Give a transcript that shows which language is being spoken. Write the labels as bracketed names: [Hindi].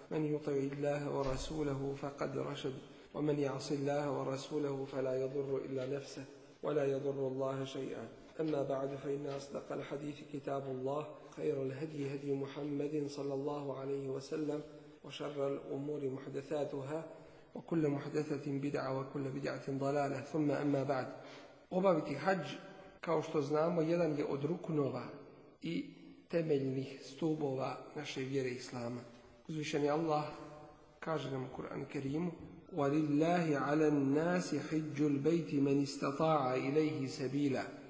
[Arabic] من يطع الله ورسوله فقد رشد، ومن يعص الله ورسوله فلا يضر إلا نفسه ولا يضر الله شيئا. أما بعد، فإن أصدق الحديث كتاب الله، خير الهدي هدي محمد صلى الله عليه وسلم، وشر الأمور محدثاتها، وكل محدثة بدعة وكل بدعة ضلالة. ثم أما بعد، [Bosnian] obaviti hadž kao što znamo jedan je od ruknova i temeljnih stubova naše vjere islama. Uzvišeni Allah kaže nam u Kur'an Kerimu: [Arabic] ولله على الناس حج البيت من استطاع إليه سبيلا.